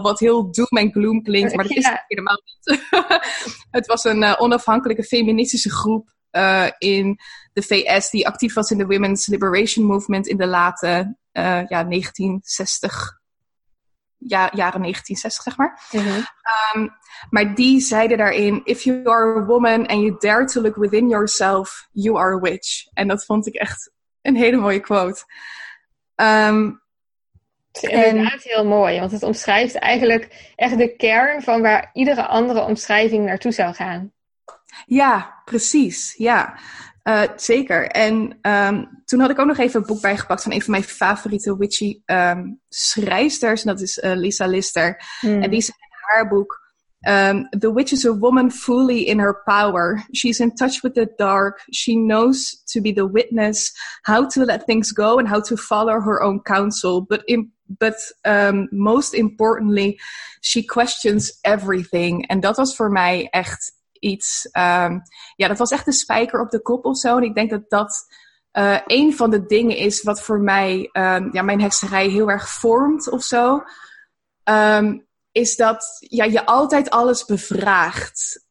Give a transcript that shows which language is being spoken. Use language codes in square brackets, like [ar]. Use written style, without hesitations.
[nl] Wat heel doom en gloom klinkt, maar dat is het helemaal niet. Het was een onafhankelijke feministische groep in de VS die actief was in de Women's Liberation Movement in de late 1960. Jaren 1960, zeg maar. Mm-hmm. Maar die zeiden daarin, [en] if you are a woman and you dare to look within yourself, you are a witch. [nl] En dat vond ik echt een hele mooie quote. Inderdaad heel mooi, want het omschrijft eigenlijk echt de kern van waar iedere andere omschrijving naartoe zou gaan. Ja, precies. Ja, zeker. En toen had ik ook nog even een boek bijgepakt van een van mijn favoriete witchy schrijfsters. En dat is Lisa Lister. [en] Mm. [nl] En die zei in haar boek, [en] The witch is a woman fully in her power. She's in touch with the dark. She knows to be the witness, how to let things go and how to follow her own counsel. But most importantly, she questions everything. [nl] En dat was voor mij echt iets, dat was echt de spijker op de kop of zo. En ik denk dat dat Een van de dingen is wat voor mij mijn hekserij heel erg vormt of zo. Is dat je altijd alles bevraagt.